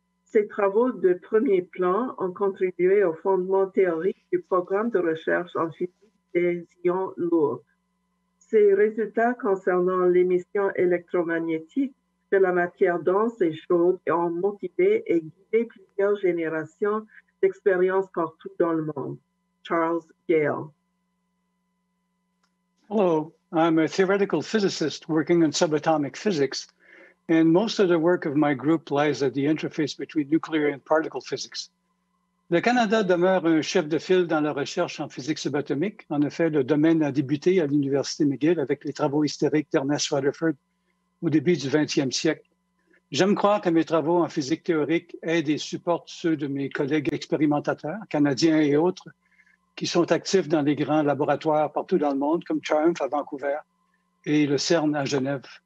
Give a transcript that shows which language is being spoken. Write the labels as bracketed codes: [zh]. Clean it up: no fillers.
[fr] Ses travaux de premier plan ont contribué au fondement théorique du programme de recherche en physique des ions lourds. Ses résultats concernant l'émission électromagnétique de la matière dense et chaude ont motivé et guidé plusieurs générations d'expériences partout dans le monde. Charles Gale. [en] Hello, I'm a theoretical physicist working on subatomic physics, and most of the work of my group lies at the interface between nuclear and particle physics. [fr] Le Canada demeure un chef de file dans la recherche en physique subatomique. En effet, le domaine a débuté à l'Université McGill avec les travaux historiques d'Ernest Rutherford au début du 20e siècle. J'aime croire que mes travaux en physique théorique aident et supportent ceux de mes collègues expérimentateurs, canadiens et autres, qui sont actifs dans les grands laboratoires partout dans le monde, comme Triumph à Vancouver et le CERN à Genève.